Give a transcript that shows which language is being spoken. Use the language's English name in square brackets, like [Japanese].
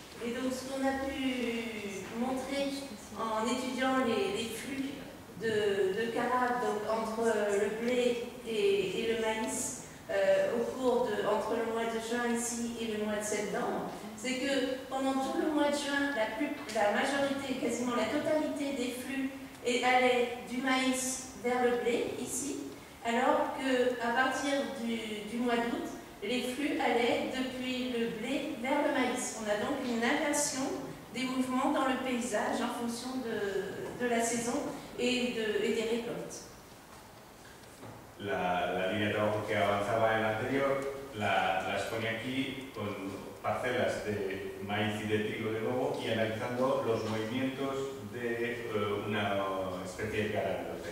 [Spanish] Y entonces, lo que hemos podido mostrar en estudiando los flujos de carabes entre el blé y el maíz entre el mes de junio aquí y el mes de septiembre, es que durante todo el mes de junio, la mayoría, casi la totalidad de los flujos, [French] allait du [Spanish] maíz vers el blé aquí. [French] Alors qu'à partir du mois d'août, les flux allaient depuis le blé vers le maïs. On a donc une inversion des mouvements dans le paysage en fonction de la saison et des récoltes. [Spanish] La línea de trabajo que avanzaba en l'anterior la expone aquí con parcelas de maíz y de trigo de nuevo y analizando los movimientos de una especie de carabino.